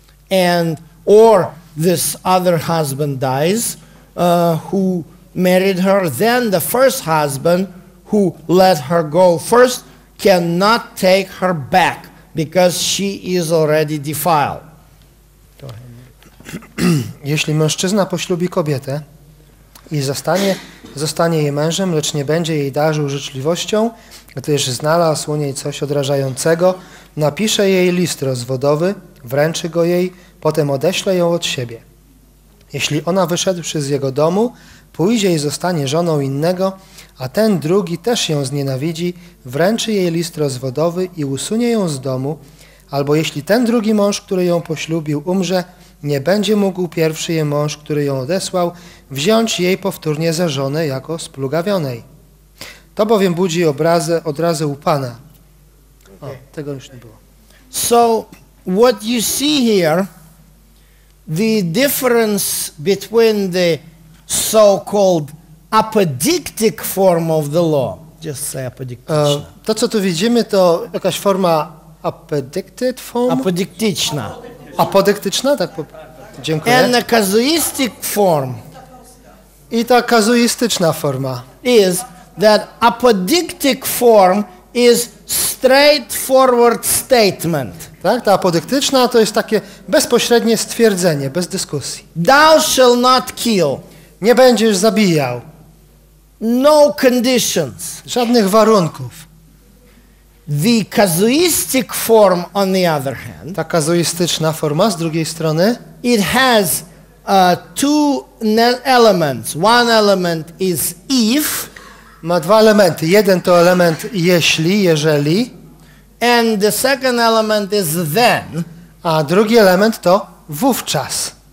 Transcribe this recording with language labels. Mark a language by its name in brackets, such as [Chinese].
[English] and or this other husband dies who married her, then the first husband who let her go first cannot take her back because she is already defiled. [Polish] Jeśli mężczyzna poślubi kobietę i zostanie jej mężem, lecz nie będzie jej darzył życzliwością, gdyż znalazł u niej coś odrażającego, napisze jej list rozwodowy, wręczy go jej, potem odeśle ją od siebie. Jeśli ona wyszedłszy z jego domu, pójdzie i zostanie żoną innego, a ten drugi też ją znienawidzi, wręczy jej list rozwodowy i usunie ją z domu, albo jeśli ten drugi mąż, który ją poślubił, umrze, nie będzie mógł pierwszy jej mąż, który ją odesłał, wziąć jej powtórnie za żonę jako splugawionej. To bowiem budzi obrazę od razu u Pana. O, tego już nie było. [English] So, what you see here, the difference between the so-called apodictic form of the law, just say apodictic. [Polish] To, co tu widzimy, to jakaś forma [English] apodicted form? [Polish] Apodiktyczna. Apodyktyczna, tak? Dziękuję. [English] And the casuistic form. [Polish] I ta kazuistyczna forma. [English] Is that apodictic form is straightforward statement. [Polish] Tak, ta apodyktyczna to jest takie bezpośrednie stwierdzenie, bez dyskusji. [English] Thou shall not kill. [Polish] Nie będziesz zabijał. [English] No conditions. [Polish] Żadnych warunków. [English] The casuistic form, on the other hand, [Polish] ta kazuistyczna forma z drugiej strony, [English] it has two elements. One element is if, [Polish] ma dwa elementy. Jeden to element jeśli, jeżeli, [English] and the second element is then, [Polish] a drugi element to wówczas.